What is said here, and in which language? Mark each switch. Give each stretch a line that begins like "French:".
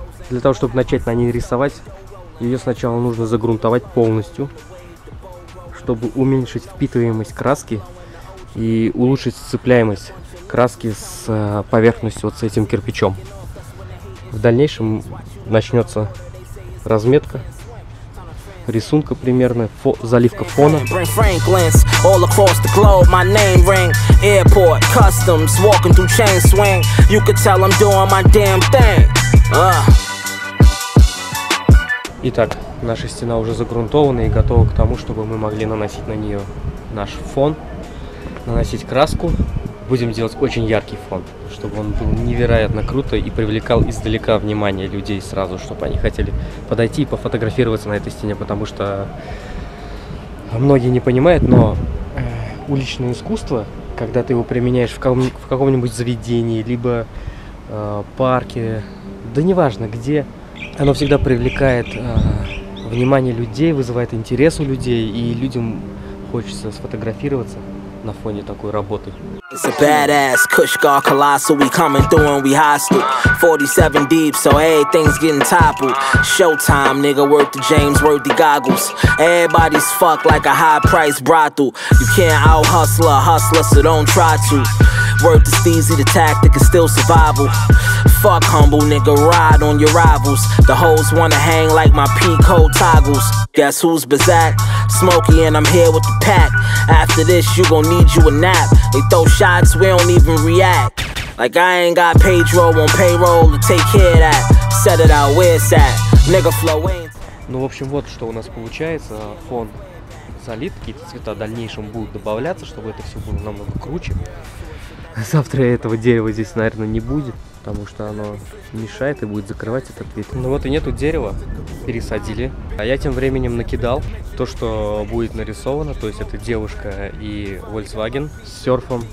Russian: Для того, чтобы начать на ней рисовать, ее сначала нужно загрунтовать полностью, чтобы уменьшить впитываемость краски и улучшить сцепляемость краски с поверхностью, вот с этим кирпичом. В дальнейшем начнется разметка. Рисунка примерно, заливка фона.
English: All across the globe, my name ring. Airport, customs, walking through chain swing. You could tell I'm doing my damn thing.
Russian: Итак, наша стена уже загрунтована и готова к тому, чтобы мы могли наносить на нее наш фон, наносить краску. Будем делать очень яркий фон, чтобы он был невероятно круто и привлекал издалека внимание людей сразу, чтобы они хотели подойти и пофотографироваться на этой стене, потому что многие не понимают, но уличное искусство, когда ты его применяешь в каком-нибудь заведении, либо парке, да неважно где, оно всегда привлекает внимание людей, вызывает интерес у людей, и людям хочется сфотографироваться на фоне такой работы.
English: It's a badass Kushgar Colossal, we coming through and we hostile. 47 deep, so hey, things getting toppled. Showtime, nigga, worth the James Worthy goggles. Everybody's fucked like a high-priced brothel. You can't out-hustle a hustler, so don't try to. Worth the steezy, the tactic is still survival. Fuck humble, nigga, ride on your rivals. The hoes wanna hang like my Pico toggles. Guess who's bizarre? Smokey and I'm here with the pack. After this, you gon' need you a nap. They throw shots, we don't even react. Like I ain't got Pedro on payroll to take care of that. Set it out, where it's at. Nigga flow ain't.
Russian: Ну, в общем, вот что у нас получается. Фон залит, какие-то цвета в дальнейшем будут добавляться, чтобы это все было намного круче. Завтра этого дерева здесь, наверное, не будет, потому что оно мешает и будет закрывать этот вид. Ну вот и нету дерева, пересадили. А я тем временем накидал то, что будет нарисовано, то есть это девушка и Volkswagen с серфом.